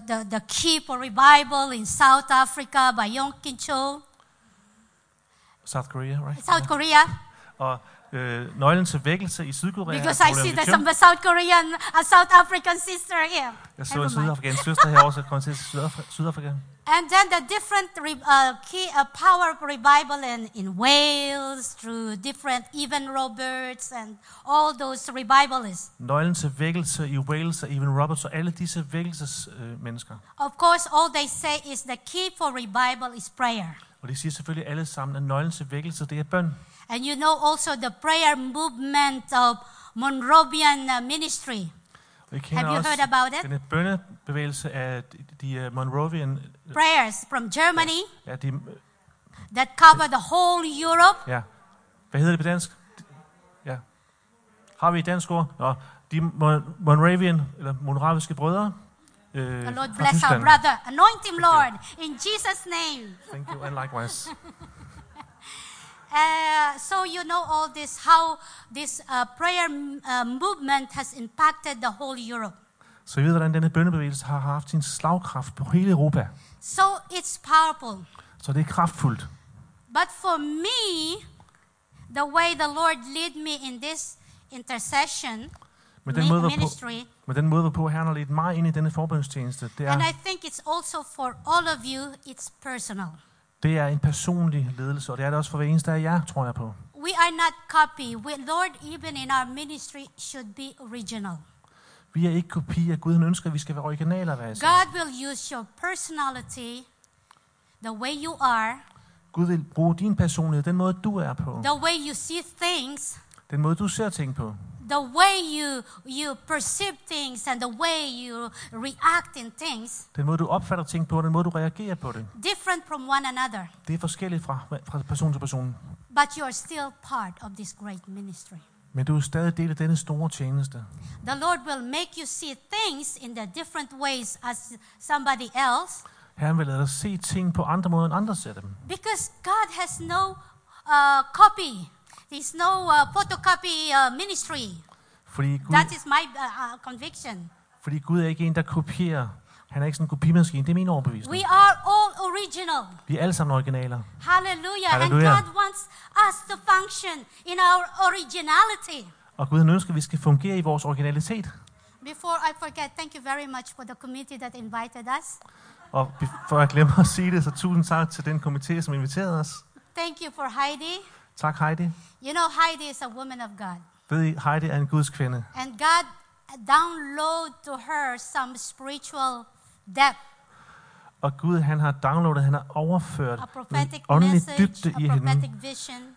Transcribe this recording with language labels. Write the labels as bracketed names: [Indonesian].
[English] The key for revival in South Africa by Yong Kin Cho. South Korea, right? South Korea. [Danish] Og nøglen til vækkelse i Sydkorea. [English] Because I see that some South Korean, a South African sister here. [Danish] Jeg så en sydafrikansk søster her også, kommer til Sydafrika. [English] And then the different power of revival in Wales through different Evan Roberts and all those revivalists. [Danish] Nøglen til vækkelse i Wales og Evan Roberts og alle disse vækkelses mennesker. [English] Of course, all they say is the key for revival is prayer. [Danish] Og de siger selvfølgelig alle sammen, at nøglen til vækkelse det er bøn. [English] And you know also the prayer movement of Monrovian ministry. Have you heard about it? [Danish] Den bønnebevægelse af de Monrovian [English] prayers from Germany. [Danish] Ja, de, [English] that cover the whole Europe. [Danish] Ja. Hvad hedder det på dansk? Ja. Har vi et dansk ord? Ja. De Monrovian eller monraviske brødre. [English] The Lord bless our brother. Anoint him, Lord, in Jesus name. Thank you and likewise. So you know all this, how this prayer movement has impacted the whole Europe. [Danish] Så I ved, hvordan denne bønnebevægelse har haft sin slagkraft på hele Europa. [English] So it's powerful. [Danish] Så det er kraftfuldt. [English] But for me, the way the Lord led me in this intercession ministry. [Danish] Med den måde, hvorpå Herren har ledt mig ind i denne forbønstjeneste, det er. [English] And I think it's also for all of you, it's personal. [Danish] Det er en personlig ledelse, og det er det også for hver eneste af jer, tror jeg på. [English] We are not copy. Lord, even in our ministry, should be original. [Danish] Vi er ikke kopier. Gud ønsker, at vi skal være originaler, hvad jeg siger. [English] God will use your personality, the way you are. [Danish] Gud vil bruge din personlighed, den måde, du er på. [English] The way you see things. [Danish] Den måde, du ser ting på. [English] The way you perceive things and the way you react in things. [Danish] Den måde du opfatter ting på, den måde du reagerer på det. [English] Different from one another. [Danish] Det er forskelligt fra person til person. [English] But you are still part of this great ministry. [Danish] Men du er stadig del af denne store tjeneste. [English] The Lord will make you see things in the different ways as somebody else. [Danish] Herren vil lade dig se ting på andre måder end andre ser dem. [English] Because God has no copy. There's no photocopy ministry. [Danish] Fordi Gud, [English] that is my conviction. [Danish] Fordi Gud er ikke en der kopierer. Han er ikke sådan en kopimaskine. Det er min overbevisning. [English] We are all original. [Danish] Vi er alle sammen originaler. [English] Hallelujah. Halleluja. And God wants us to function in our originality. [Danish] Og Gud ønsker, at vi skal fungere i vores originalitet. [English] Before I forget, thank you very much for the committee that invited us. [Danish] Og før jeg glemmer at sige det, så tusind tak til den komité, som inviterede os. [English] Thank you for Heidi. [Danish] Tak Heidi. [English] You know Heidi is a woman of God. [Danish] Ved I, Heidi er en Guds kvinde. [English] And God download to her some spiritual depth. [Danish] Og Gud, han har downloadet, han har overført [English] a prophetic message, [Danish] åndelig dybde [English] a [Danish] i [English] prophetic [Danish] hende [English] vision.